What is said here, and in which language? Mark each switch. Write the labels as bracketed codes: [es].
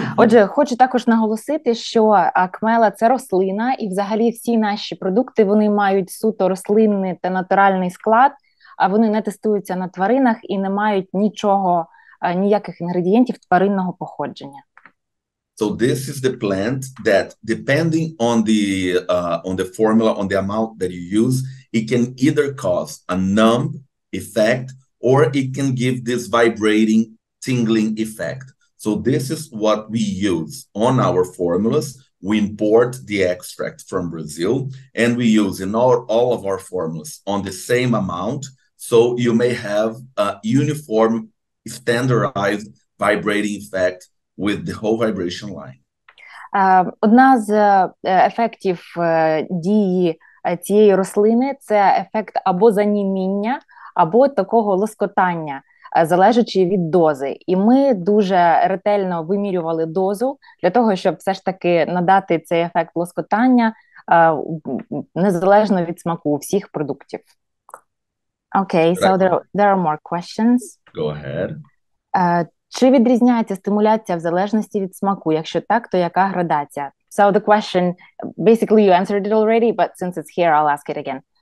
[uk] Отже, хочу також наголосити, що акмела – це рослина, і взагалі всі наші продукти, вони мають суто рослинний та натуральний склад, а вони не тестуються на тваринах і не мають нічого, ніяких інгредієнтів тваринного походження. [en] So this is the plant that, depending on the formula, on the amount that you use, it can either cause a numb effect or it can give this vibrating, tingling effect. So this is what we use on our formulas. We import the extract from Brazil and we use in all of our formulas on the same amount. So you may have a uniform, standardized vibrating effect with the whole vibration line. [uk] Одна з ефектів дії цієї рослини – це ефект або заніміння, або такого лоскотання, залежачи від дози. І ми дуже ретельно вимірювали дозу для того, щоб все ж таки надати цей ефект лоскотання незалежно від смаку всіх продуктів. [en] Окей, okay, so there are more questions. Go ahead. [uk] Чи відрізняється стимуляція в залежності від смаку? Якщо так, то яка градація? [en] So the question, basically you answered it already, but since it's here, I'll ask it again.